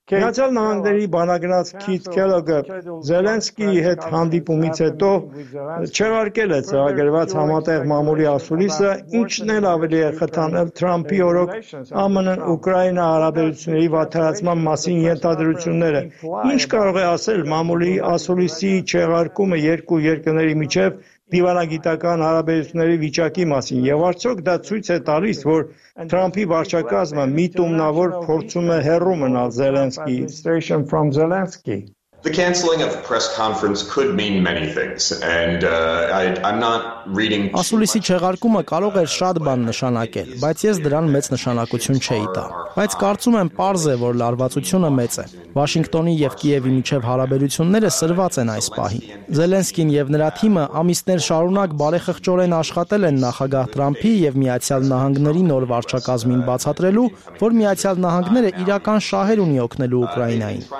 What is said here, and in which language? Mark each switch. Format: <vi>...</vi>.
<hy>Նաթալ Նանդերի բանակնած Քիթ Քելոգը Զելենսկիի հետ հանդիպումից հետո չարգել է ծրագրված համատեղ մամուլի ասուլիսը, ինչն էլ ավելի է խթանել Թրամփի օրոք ԱՄՆ-ն Ուկրաինա հարաբերությունների վատթարացման մասին ենթադրությունները։ Ինչ կարող է ասել մամուլի ասուլիսի չարգումը երկու երկրների միջև դիվանագիտական հարաբերությունների վիճակի մասին, եւ արդյոք դա ցույց է տալիս, որ Թրամփի վարչակազմը միտումնավոր փորձում է հեռու մնալ</hy> <en>Administration from Zelensky. The canceling of press conference could mean many things, and I'm not reading.</en> <hy>Ասուլիսի չեղարկումը կարող է շատ բան նշանակել, բայց ես դրան մեծ նշանակություն չէի տա։ Բայց կարծում եմ, պարզ է, որ լարվածությունը մեծ է։ Վաշինգտոնի եւ Կիևի միջև հարաբերությունները սրված են այս պահին։ Զելենսկին եւ նրա թիմը ամիսներ շարունակ բարեխղճորեն աշխատել են նախագահ Թրամփի եւ Միացյալ Նահանգների նոր վարչակազմին բացատրելու, որ Միացյալ Նահանգները իրական շահեր ունի օգնելու Ուկրաինային,</hy>